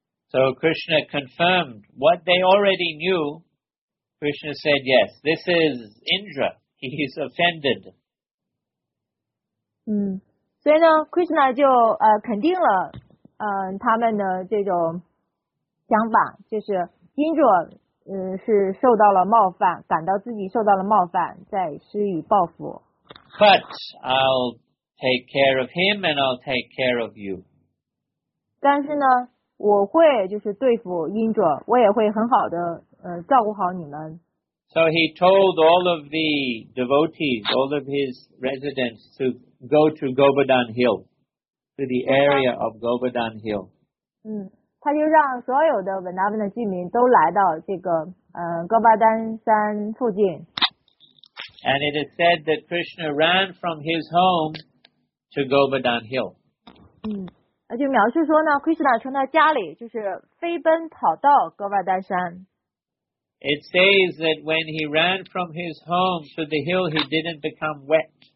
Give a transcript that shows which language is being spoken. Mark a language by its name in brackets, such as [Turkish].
[English] So Krishna confirmed what they already knew. Krishna said, "Yes, this is Indra. He is offended." [Chinese] 所以呢 ，Krishna 就肯定了他们的这种想法，就是 Indra。是受到了冒犯，感到自己受到了冒犯，在施予报复。 [English] But I'll take care of him and I'll take care of you. [Chinese] 但是呢，我会就是对付Indra，我也会很好的照顾好你们。 [English] So he told all of the devotees, all of his residents to go to Govardhan Hill, to the area of Govardhan Hill. [Chinese] 他就让所有的文达文的居民都来到这个戈巴丹山附近。 [English] And it is said that Krishna ran from his home to Govardhan Hill. [Chinese] 就描述说呢 ，Krishna 从他家里就是飞奔跑到哥瓦丹山。 [English] It says that when he ran from his home to the hill, he didn't become wet.